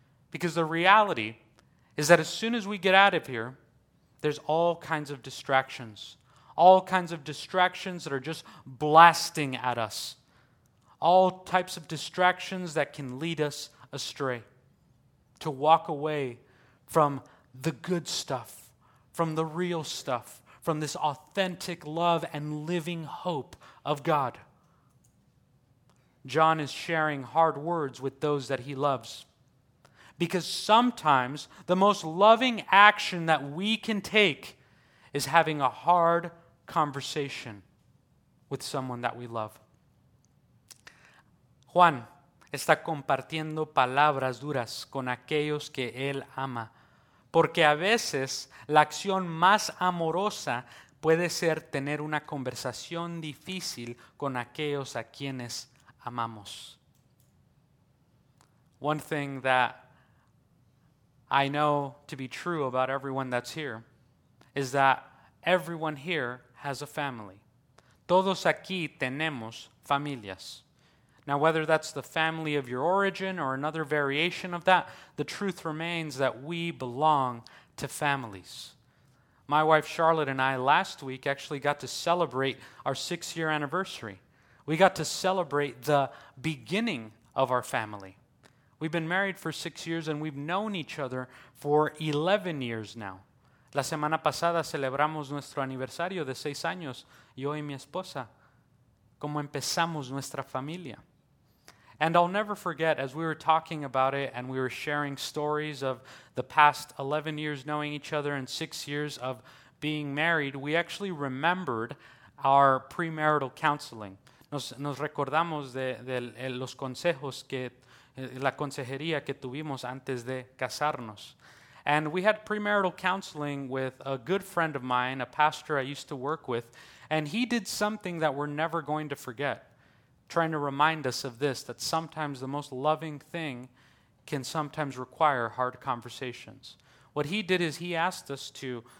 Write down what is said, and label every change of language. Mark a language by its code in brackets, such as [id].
[en] Because the reality is that as soon as we get out of here, there's all kinds of distractions. All kinds of distractions that are just blasting at us. All types of distractions that can lead us astray. To walk away from the good stuff, from the real stuff, from this authentic love and living hope of God. John is sharing hard words with those that he loves. Because sometimes the most loving action that we can take is having a hard conversation with someone that we love. [es] Juan está compartiendo palabras duras con aquellos que él ama. Porque a veces la acción más amorosa puede ser tener una conversación difícil con aquellos a quienes amamos. [en] One thing that I know to be true about everyone that's here is that everyone here has a family. [es] Todos aquí tenemos familias. [en] Now, whether that's the family of your origin or another variation of that, the truth remains that we belong to families. My wife Charlotte and I last week actually got to celebrate our 6-year anniversary. We got to celebrate the beginning of our family. We've been married for 6 years and we've known each other for 11 years now. [es] La semana pasada celebramos nuestro aniversario de 6 años, yo y mi esposa. Como empezamos nuestra familia. [en] And I'll never forget, as we were talking about it and we were sharing stories of the past 11 years knowing each other and 6 years of being married, we actually remembered our premarital counseling. [es] Nos recordamos de los consejos que, la consejería que tuvimos antes de casarnos. [en] And we had premarital counseling with a good friend of mine, a pastor I used to work with, and he did something that we're never going to forget, trying to remind us of this, that sometimes the most loving thing can sometimes require hard conversations. What he did is he asked us to